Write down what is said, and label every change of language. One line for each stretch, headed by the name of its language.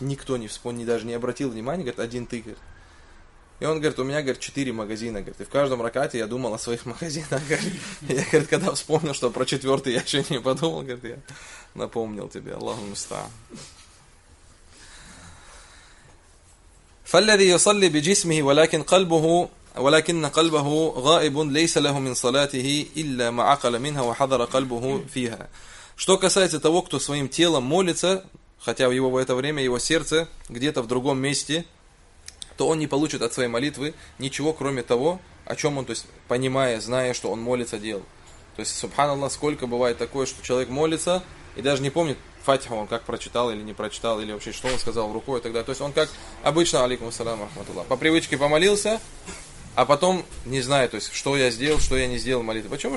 Russian: Никто не вспомнил, даже не обратил внимания, говорит, «Один ты», говорит. И он говорит, у меня, говорит, 4 магазина, говорит, и в каждом ракате я думал о своих магазинах, говорит. Я, говорит, когда вспомнил, что про 4-й я еще не подумал, говорит, я напомнил тебе, Аллаху муста.
Arabic: فالذي يصلي بجسمه ولكن قلبه ولكن قلبه غائب ليس له من صلاته إلا ما عقل منها وحضر قلبه فيها.
Russian: Что касается того, кто своим телом молится, хотя его в это время его сердце где-то в другом месте, то он не получит от своей молитвы ничего, кроме того, о чем он, то есть, понимая, зная, что он молится, делал. То есть, субханаллах, сколько бывает такое, что человек молится и даже не помнит фатиху, он как прочитал или не прочитал, или вообще, что он сказал в руку и так далее. То есть, он как обычно, алейкум ассалям, рахматуллах, по привычке помолился, а потом не знает, то есть, что я сделал, что я не сделал в молитве. Почему?